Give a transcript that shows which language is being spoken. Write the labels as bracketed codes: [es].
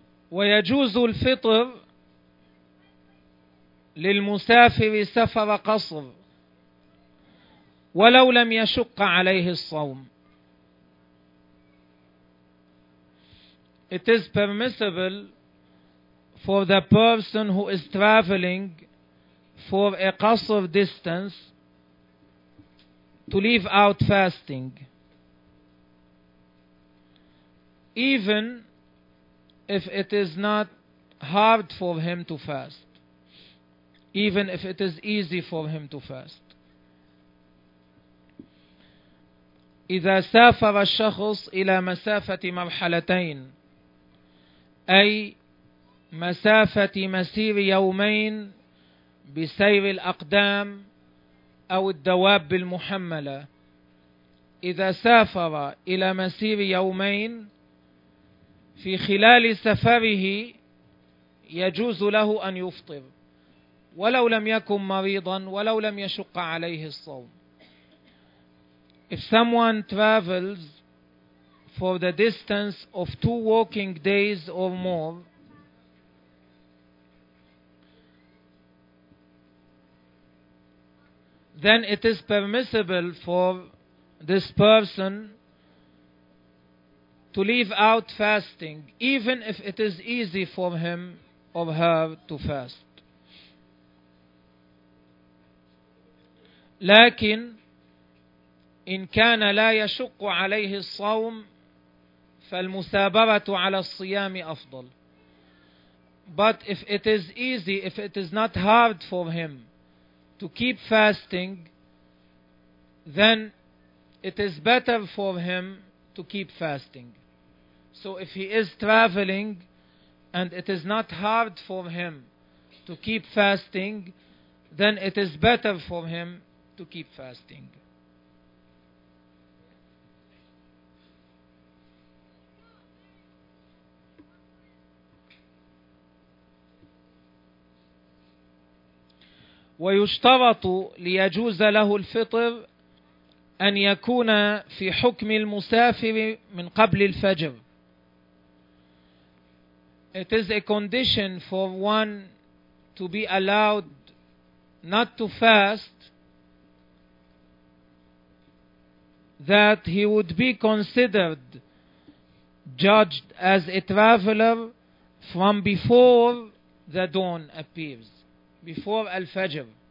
[ar] ويجوز الفطر للمسافر سفر قصر ولو لم يشق عليه الصوم. [en] It is permissible for the person who is traveling for a qasr distance to leave out fasting, even if it is not hard for him to fast, even if it is easy for him to fast. [ar] إذا سافر الشخص إلى مسافة مرحلتين أي مسافة مسير يومين بسير الأقدام أو الدواب المحملة. إذا سافر إلى مسير يومين في خلال سفره يجوز له أن يفطر ولو لم يكن مريضا ولو لم يشق عليه الصوم. [en] If someone travels for the distance of 2 walking days or more, then it is permissible for this person to leave out fasting, even if it is easy for him or her to fast. [ar] لكن إن كان لا يشق عليه الصوم فالمثابرة على الصيام أفضل. [en] But if it is easy, if it is not hard for him to keep fasting, then it is better for him to keep fasting. So if he is traveling and it is not hard for him to keep fasting, then it is better for him to keep fasting. [ar] ويشترط ليجوز له الفطر أن يكون في حكم المسافر من قبل الفجر. [en] It is a condition for one to be allowed not to fast that he would be considered, judged as a traveler from before the dawn appears, before al-fajr.